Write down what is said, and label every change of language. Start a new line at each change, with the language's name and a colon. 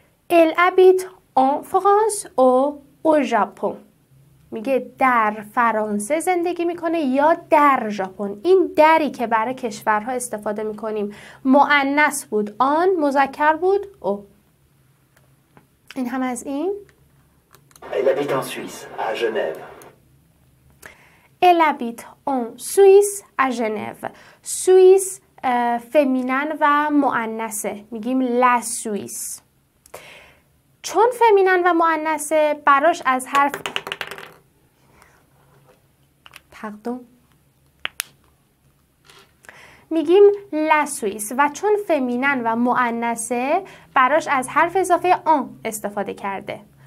French: ال ابیت آن فرانس او ژاپن،
Persian: میگه در فرانسه زندگی میکنه یا در ژاپن. این دری که برای کشورها استفاده میکنیم مؤنث بود آن، مذکر بود او. این هم از این.
French: Elle habite en Suisse, à Genève. Elle habite en Suisse, à Genève.
Persian: سوئیس فمینن و مؤنثه، میگیم لا سوئیس. چون فمینن و مؤنثه براش از حرف پاردون میگیم لسویس و چون فمینن و مؤنثه براش از حرف اضافه آن استفاده کرده.